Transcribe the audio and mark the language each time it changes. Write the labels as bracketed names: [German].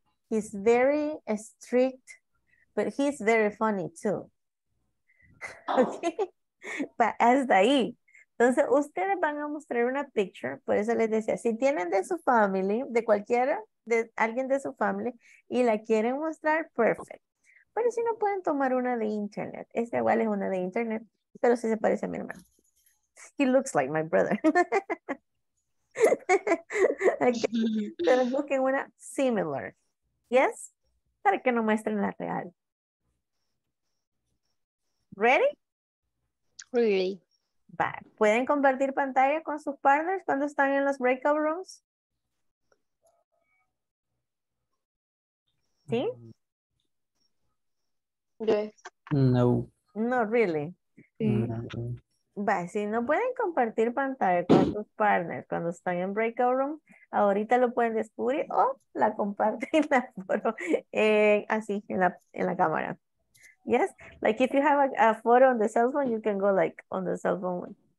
[English] He's very strict, but he's very funny too. Okay, but [Spanish] hasta ahí. Entonces, ustedes van a mostrar una picture, por eso les decía, si tienen de su family, de cualquiera, de alguien de su family, y la quieren mostrar, perfect. Pero si no, pueden tomar una de internet. Esta igual es una de internet, pero sí se parece a mi hermano. [English] He looks like my brother. Okay. [Spanish] Pero busquen una similar. Yes? Para que no muestren la real. [English] Ready? Ready. Bye. [Spanish] ¿Pueden compartir pantalla con sus partners cuando están en los breakout rooms? ¿Sí? [English] Yes. No. No, really. Mm-hmm. Bye. [Spanish] Si no pueden compartir pantalla con sus partners cuando están en breakout room, ahorita lo pueden descubrir o la comparten en la foto, así, en la cámara. [English] Yes, like if you have a photo on the cell phone, you can go like on the cell phone.